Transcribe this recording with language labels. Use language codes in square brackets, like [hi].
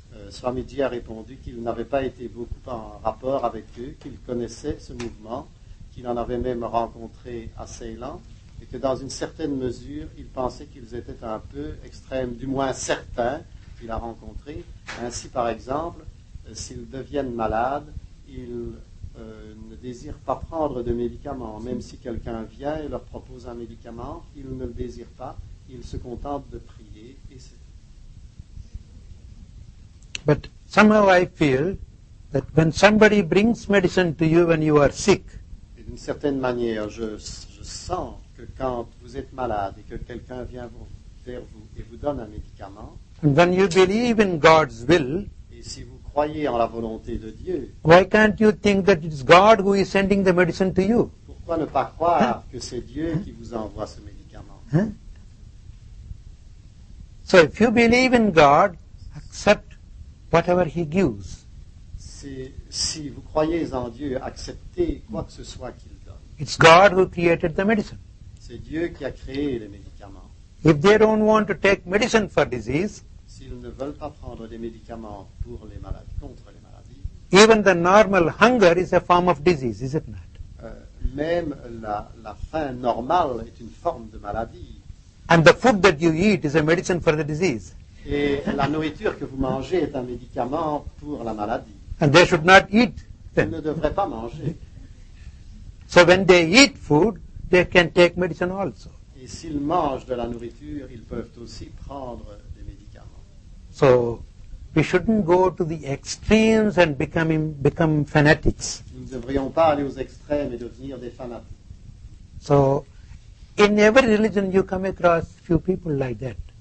[fr] Swamiji a répondu qu'il n'avait pas été beaucoup en rapport avec eux, qu'il connaissait ce mouvement, qu'il en avait même rencontré à Ceylan, et que dans une certaine mesure, il pensait qu'ils étaient un peu extrêmes, du moins certains qu'il a rencontrés. Ainsi, par exemple, s'ils deviennent malades, ils ne désirent pas prendre de médicaments. Même si quelqu'un vient et leur propose un médicament, ils ne le désirent pas. Ils se contentent de prier et c'est tout. [en] But somehow I feel that when somebody brings medicine to you when you are sick, [fr] et d'une certaine manière, je sens que quand vous êtes malade et que quelqu'un vient vers vous et vous donne un médicament, [en] When you believe in God's will, [fr] et si vous croyez en la volonté de Dieu, [en] why can't you think that it's God who is sending the medicine to you? [fr] Pourquoi ne pas croire que c'est Dieu qui vous envoie ce médicament? [en] So if you believe in God, accept whatever He gives. [fr] Si vous croyez en Dieu, acceptez quoi que ce soit qu'il donne. [en] It's God who created the medicine. [fr] C'est Dieu qui a créé les médicaments. [en] If they don't want to take medicine for disease, [fr] s'ils ne veulent pas prendre des médicaments pour les maladies, contre les maladies, [en] even the normal hunger is a form of disease, is it not? [fr] Même la faim normale est une forme de maladie. [en] And the food that you eat is a medicine for the disease. [fr] Et la nourriture que vous mangez est un médicament pour la maladie. [en] And they should not eat. [fr] Ils ne devraient pas manger. [en] So when they eat food, they can take medicine also. [fr] Et s'ils mangent de la nourriture, ils peuvent aussi prendre des médicaments. [en] So we shouldn't go to the extremes and become fanatics. [fr] Nous ne devrions pas aller aux extrêmes et devenir des fanatiques. [en] So in every religion you come across few people like that.